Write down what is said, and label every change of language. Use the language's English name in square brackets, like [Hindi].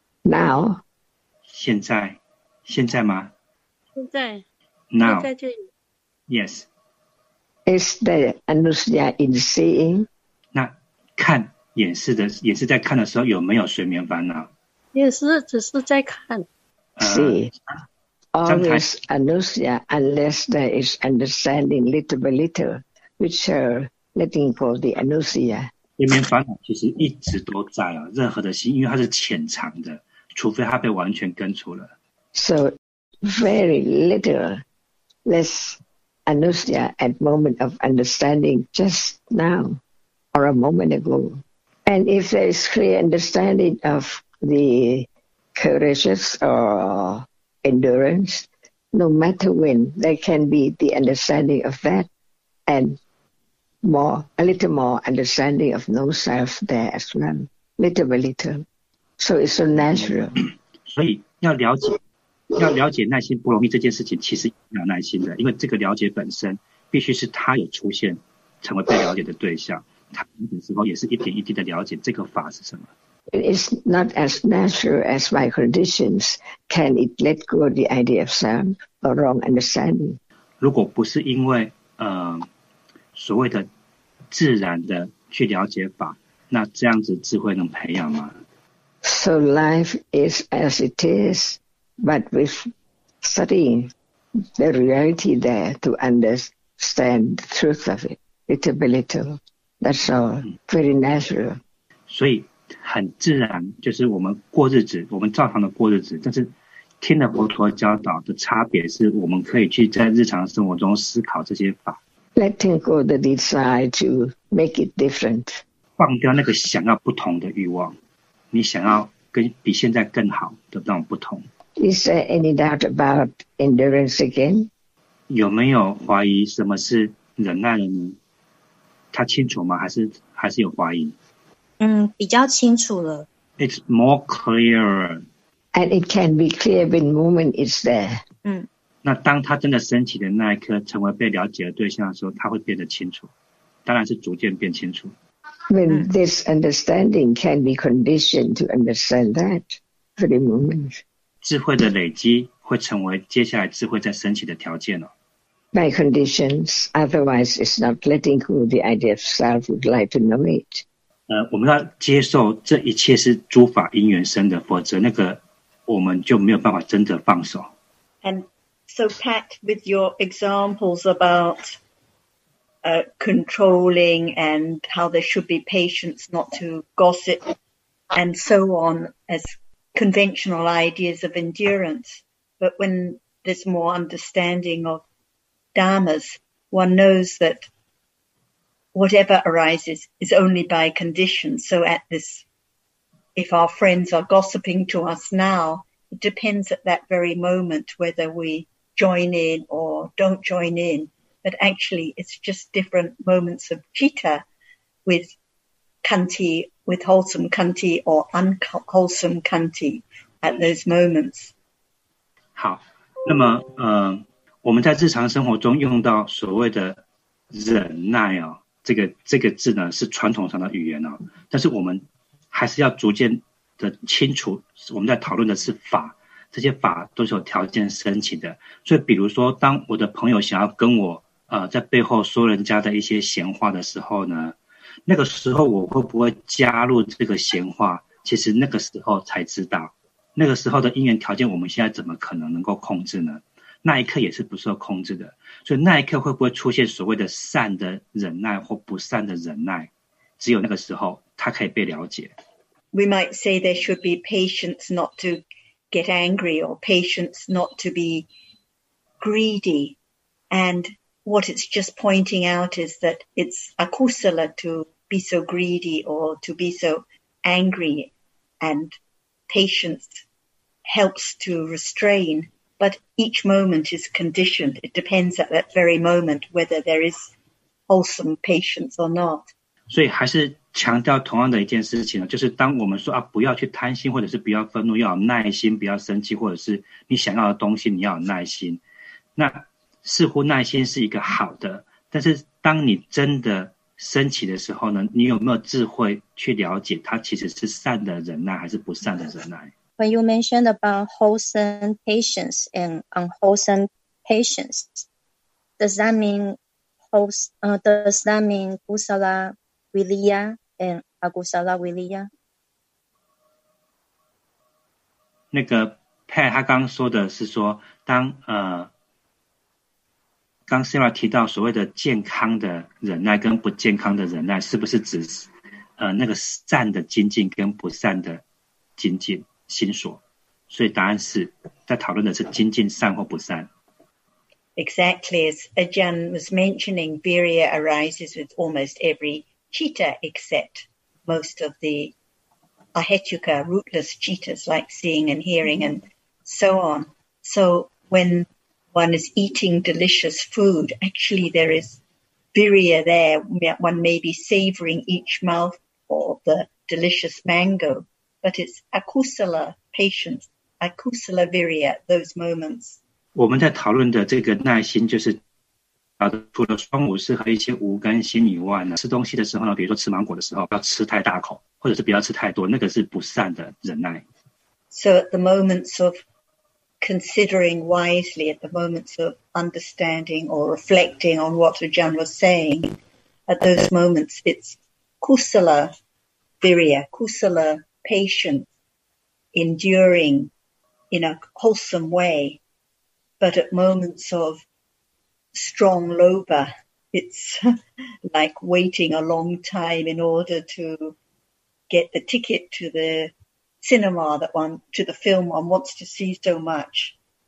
[English] Now. [Chinese] 现在，现在吗？现在。 [English] Now. [Chinese] 在这里。 [English] Yes. Is the anusya in seeing? [Chinese] 那看。眼视在看的时候有没有睡眠烦恼？眼视只是在看。 [English] See, always anusya unless there is understanding little by little, which are letting go the anusya. [Chinese] 睡眠烦恼其实一直都在啊，任何的心，因为它是潜藏的，除非它被完全根除了。 [English] So very little, less anusya at moment of understanding just now or a moment ago. And if there is clear understanding of the courageous or endurance, no matter when, there can be the understanding of that and more, a little more understanding of no self there as well, little by little. So it's so natural. [Chinese] 所以要了解耐心波罗蜜这件事情，其实要耐心的，因为这个了解本身必须是它有出现，成为被了解的对象。他的时候也是一点一滴的了解这个法是什么。 [English] It is not as natural as my conditions. Can it let go the idea of self or wrong understanding? [Chinese] 如果不是因为所谓的自然的去了解法，那这样子智慧能培养吗 [English] ？So life is as it is, but with studying the reality there to understand the truth of it little by little. That's all. Very natural. [Chinese] 所以很自然，就是我们过日子，我们照常的过日子。但是听了佛陀教导的差别是，我们可以去在日常生活中思考这些法。 [English] Letting go the desire to make it different. [Chinese] 放掉那个想要不同的欲望，你想要跟比现在更好的那种不同。 [English] Is there any doubt about endurance again? [Chinese] 有没有怀疑什么是忍耐了呢？他清楚吗？还是有怀疑？比较清楚了。 [English] It's more clearer. And it can be clear when the moment is there. [Chinese] 那当他真的升起的那一刻成为被了解的对象的时候他会变得清楚当然是逐渐变清楚 [English] When this understanding can be conditioned to understand that for the moment [Chinese] 智慧的累积会成为接下来智慧在升起的条件、哦、 [English] By conditions otherwise it's not letting go the idea of self would like to know it [Chinese] 我们要接受这一切是诸法因缘生的否则那个我们就没有办法真的放手 [English] AndSo packed with your examples about controlling and how there should be patience not to gossip and so on as conventional ideas of endurance. But when there's more understanding of dharmas, one knows that whatever arises is only by condition. So at this, if our friends are gossiping to us now, it depends at that very moment whether we... join in or don't join in, but actually it's just different moments of citta with kanti, with wholesome kanti or unwholesome kanti at those moments. [Chinese] 好，那么我们在日常生活中用到所谓的忍耐哦，这个字呢是传统上的语言哦，但是我们还是要逐渐的清楚，我们在讨论的是法。这些法都是有条件申请的所以比如说当我的朋友想要跟我在背后说人家的一些闲话的时候呢那个时候我会不会加入这个闲话其实那个时候才知道那个时候的因缘条件我们现在怎么可能能够控制呢那一刻也是不受控制的所以那一刻会不会出现所谓的善的忍耐或不善的忍耐只有那个时候它可以被了解 [English] We might say there should be patience not toget angry or patience not to be greedy. And what it's just pointing out is that it's akusala to be so greedy or to be so angry and patience helps to restrain. But each moment is conditioned. It depends at that very moment whether there is wholesome patience or not. [Chinese] 所以还是强调同样的一件事情就是当我们说、啊、不要去贪心或者是不要愤怒要有耐心不要生气或者是你想要的东西你要有耐心那似乎耐心是一个好的但是当你真的升起的时候呢你有没有智慧去了解它其实是善的忍耐还是不善的忍耐 [English] When you mentioned about wholesome patience and unwholesome patience does that mean kusala willya and akusala willya [Chinese] 那个 Pat 他刚说的是说当刚 Sara 提到所谓的健康的忍耐跟不健康的忍耐是不是指那个善的精进跟不善的精进心所所以答案是在讨论的是精进善或不善 [English] Exactly as Ajahn was mentioning virya arises with almost everycitta except most of the ahetuka rootless cittas like seeing and hearing and so on so when one is eating delicious food actually there is virya there one may be savoring each mouthful of the delicious mango but it's akusala patience akusala virya those moments [Chinese] 我们在讨论的这个耐心就是除了双五识和一些无根心以外呢吃东西的时候呢比如说吃芒果的时候不要吃太大口或者是不要吃太多那个是不善的忍耐 [English] So at the moments of considering wisely at the moments of understanding or reflecting on what Ajahn was saying at those moments it's kusala virya kusala patience enduring in a wholesome way but at moments ofStrong loba, it's like waiting a long time in order to get the ticket to the cinema to the film one wants to see so much.